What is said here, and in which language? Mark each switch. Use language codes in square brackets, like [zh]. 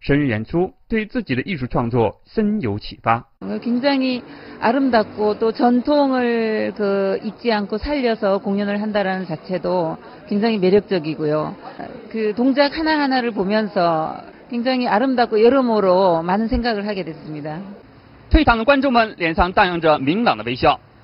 [zh] 한국著名书法家朴炳玉女士在看过演出后表示，神韵演出对自己的艺术创作深有启发。 [ko] 굉장히 아름답고 또 전통을 그 잊지 않고 살려서 공연을 한다라는 자체도 굉장히 매력적이고요. 그 동작 하나하나를 보면서 굉장히 아름답고 여러모로 많은 생각을 하게 됐습니다. [zh] 退堂的观众们脸上荡漾着明朗的微笑。